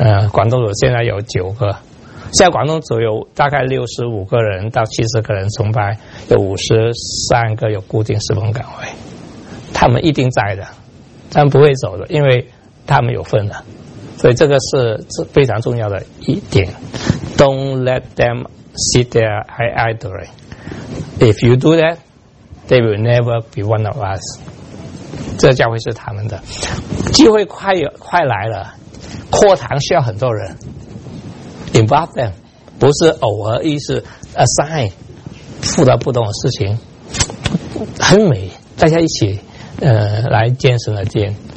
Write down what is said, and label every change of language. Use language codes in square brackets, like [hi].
[zh] 广东组现在有九个，现在广东组有大概65个人到70个人崇拜，有53个有固定侍奉岗位，他们一定在的，他们不会走的，因为他们有份的。所以这个是非常重要的一点。 [en] Don't let them sit there idly. If you do that, they will never be one of us. [zh] 这教会是他们的。机会快来了，扩堂需要很多人。 [en] Involve them. [zh] 不是偶尔意思 assign 负责不同的事情。很美，大家一起来建神的殿。